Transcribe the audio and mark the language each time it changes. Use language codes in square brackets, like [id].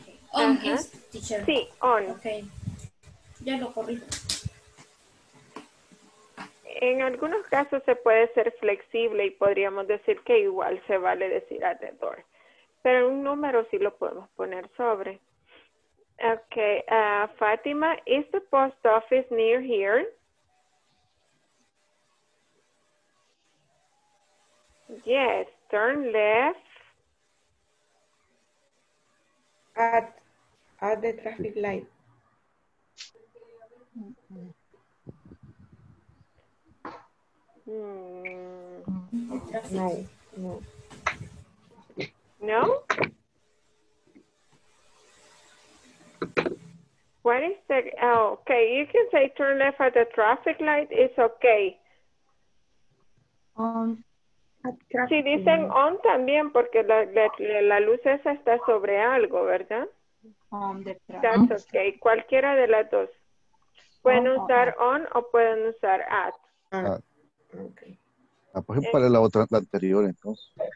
[en] Okay. [es] En algunos casos se puede ser flexible y podríamos decir que igual se vale decir [en] at the door. [es] Pero un número sí lo podemos poner sobre. [en] Okay, Fátima, is the post office near here? Yes, turn left. At the traffic light. No. What is the, okay, you can say turn left at the traffic light, it's okay. [es] Si dicen on también, porque la luz esa está sobre algo, ¿verdad? [en] That's okay. [es] Cualquiera de las dos. Pueden usar on o pueden usar at. [en] Okay. [es] Por ejemplo, para la otra, la anterior, entonces.